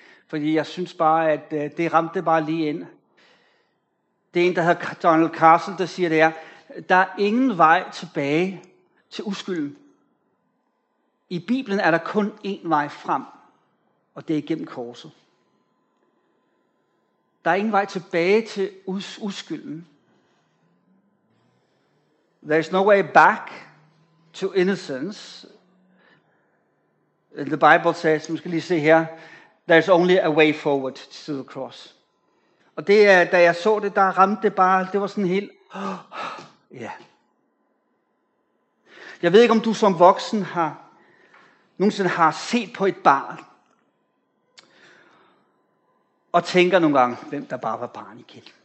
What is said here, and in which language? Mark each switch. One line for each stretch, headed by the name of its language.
Danish: fordi jeg synes bare, at det ramte bare lige ind. Det er en, der hedder Donald Castle, der siger det her. Der er ingen vej tilbage til uskylden. I Bibelen er der kun én vej frem, og det er igennem korset. Der er ingen vej tilbage til uskylden.
English: There is no way back to innocence. The Bible says,
Danish: man skal lige se her,
English: there is only a way forward to the cross.
Danish: Og det er, da jeg så det, der ramte det bare, det var sådan helt, ja. Jeg ved ikke, om du som voksen har nogensinde har set på et barn, og tænker nogle gange, hvem der bare var barn igen.